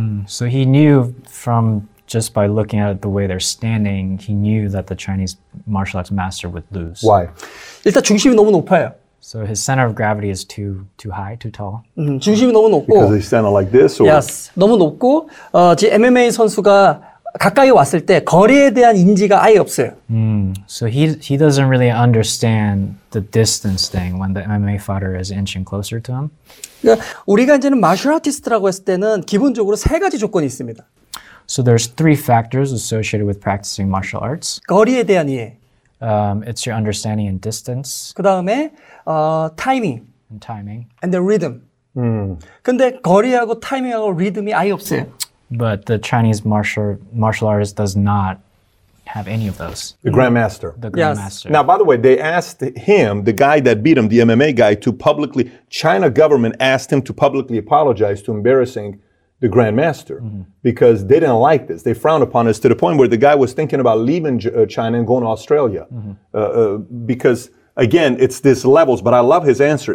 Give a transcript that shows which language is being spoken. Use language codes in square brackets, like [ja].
[en] So he knew from just by looking at the way they're standing, he knew that the Chinese martial arts master would lose. Why? [ko] 일단 중심이 너무 높아요. [en] So his center of gravity is too high, too tall. [ko] 중심이 너무 높고. [en] Because he's standing like this, or? Yes, [ko] 너무 높고 지금 MMA 선수가 가까이 왔을 때 거리에 대한 인지가 아예 없어요. [en] So he doesn't really understand the distance thing when the MMA fighter is inching closer to him. [ko] 그러니까 우리가 이제는 마셜 아티스트라고 했을 때는 기본적으로 세 가지 조건이 있습니다. [en] So there's three factors associated with practicing martial arts. [ko] 거리에 대한 이해. [en] It's your understanding and distance. [ko] 그다음에 타이밍. [en] And timing. And the rhythm. [ko] 근데 거리하고 타이밍하고 리듬이 아예 없어요. [en] But the Chinese martial artist does not have any of those. The Grandmaster. The Grandmaster. Now, by the way, they asked him, the guy that beat him, the MMA guy, to publicly, China government asked him to publicly apologize to embarrassing the Grandmaster because they didn't like this. They frowned upon us to the point where the guy was thinking about leaving China and going to Australia because, again, it's this levels. But I love his answer.